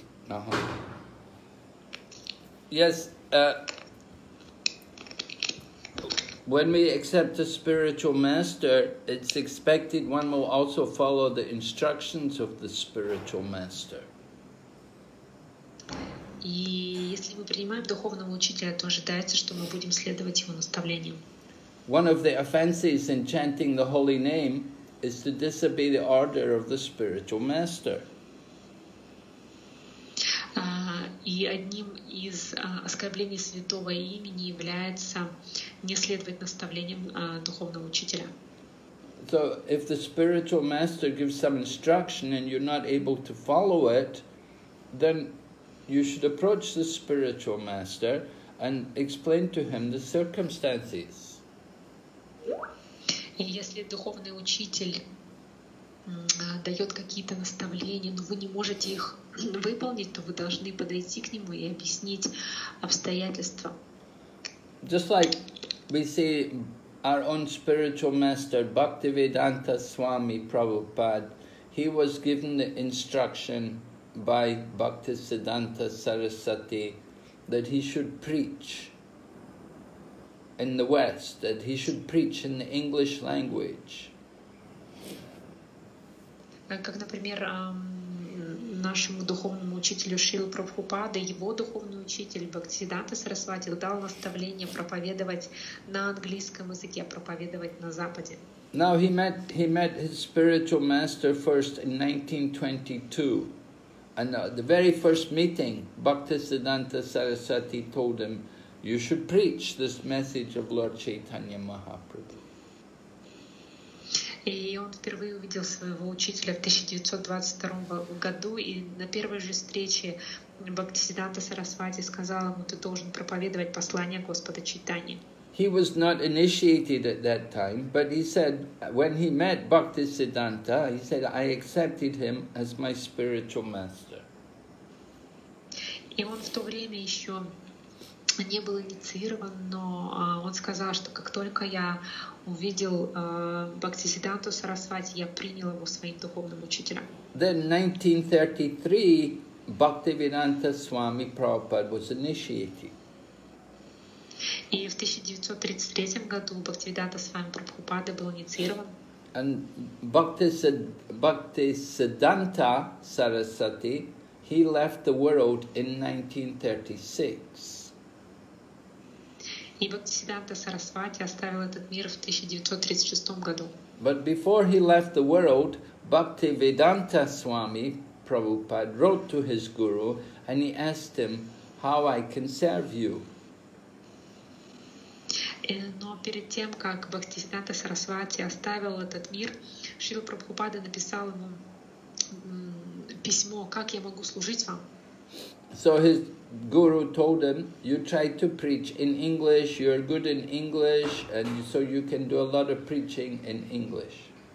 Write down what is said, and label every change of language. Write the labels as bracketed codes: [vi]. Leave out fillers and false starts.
[en] Uh-huh. Yes, when we accept a spiritual master, it's expected one will also follow the instructions of the spiritual master. [ru] И если мы принимаем духовного учителя, то ожидается, что мы будем следовать его наставлениям. [en] One of the offenses in chanting the holy name is to disobey the order of the spiritual master. [ru] И одним из оскорблений святого имени является не следовать наставлениям духовного учителя. [en] So if the spiritual master gives some instruction and you're not able to follow it, then you should approach the spiritual master and explain to him the circumstances. [ru] И если духовный учитель дает какие-то наставления, но вы не можете их выполнить, то вы должны подойти к нему и объяснить обстоятельства. [en] Just like we see our own spiritual master, Bhaktivedanta Swami Prabhupada, he was given the instruction by Bhaktisiddhanta Sarasvati that he should preach in the West, that he should preach in the English language. [ru] Как, например, нашему духовному учителю Шрилы Прабхупаде, его духовный учитель Бхактисиддханта Сарасвати дал наставление проповедовать на английском языке, проповедовать на Западе. [en] Now he met his spiritual master first in 1922. And the very first meeting, Bhaktisiddhanta Sarasvati told him, you should preach this message of Lord Chaitanya Mahaprabhu. [ru] И он впервые увидел своего учителя в 1922 году, и на первой же встрече Бхактисиддханта Сарасвати сказал ему, ты должен проповедовать послание Господа Чайтаньи. [en] He was not initiated at that time, but he said, when he met Bhaktisiddhanta, he said, I accepted him as my spiritual master. [ru] И он в то время еще не был инициирован, но он сказал, что как только я увидел Бхактисиддханту Сарасвати, я принял его своим духовным учителем. [en] Then in 1933, Bhaktivedanta Swami Prabhupada was initiated. [ru] И в 1933 году Бхактивиданта Свами Прабхупада был инициирован. [en] And Bhaktisiddhanta Sarasvati, he left the world in 1936. [ru] И Бхактисиддханта Сарасвати оставил этот мир в 1936 году. [en] But before he left the world, Bhaktivedanta Swami Prabhupada wrote to his guru and he asked him, how I can serve you. [ru] Но перед тем, как Бхактисиддханта Сарасвати оставил этот мир, Шрила Прабхупада написал ему письмо, как я могу служить вам. [en] So his guru told him, you try to preach in English, you're good in English, and so you can do a lot of preaching in English.